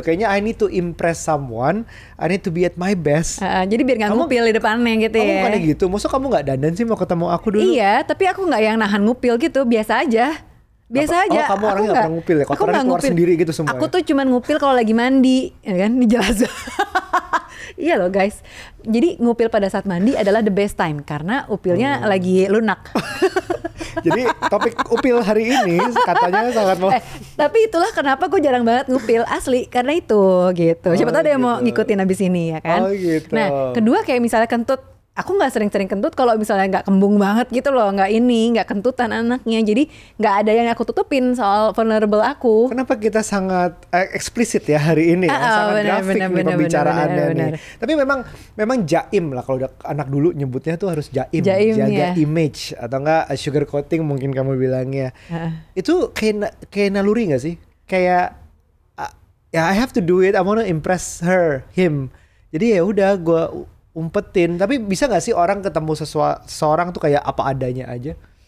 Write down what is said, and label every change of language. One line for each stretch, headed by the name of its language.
Indonesian: Kayaknya
English: I need to impress someone. I need to be at my best.
Indonesian: Jadi biar gak ngupil di depannya gitu ya. Kamu bukannya gitu. Maksudnya kamu gak dandan sih mau ketemu aku dulu? Iya tapi aku gak yang nahan ngupil gitu. Biasa aja. Biasa aja. Oh kamu orangnya gak pernah ngupil ya. Kotoran keluar ngupil sendiri gitu semuanya. Aku tuh cuman ngupil kalau lagi mandi. Ya kan ini jelas. Iya loh guys, jadi ngupil pada saat mandi adalah
English: the best time
Indonesian: karena upilnya lagi lunak. Jadi topik upil hari ini katanya sangat mau. Tapi itulah kenapa gue jarang banget ngupil asli karena itu gitu. Siapa tahu ada yang mau ngikutin abis ini ya kan. Oh gitu. Nah kedua kayak misalnya kentut, aku nggak sering-sering kentut kalau misalnya nggak kembung banget gitu loh, nggak ini, nggak kentutan anaknya. Jadi nggak ada yang aku tutupin soal vulnerable aku. Kenapa kita sangat eksplisit ya hari ini, sangat grafik pembicaraannya nih. Tapi memang jaim lah kalau anak dulu nyebutnya tuh harus jaim jaga image atau enggak sugar coating mungkin kamu bilangnya. Itu kayak naluri nggak sih? Kayak ya
English: I have to do it. I wanna impress her, him.
Indonesian: Jadi ya udah gue umpetin, tapi bisa gak sih orang ketemu seseorang tuh kayak apa adanya aja?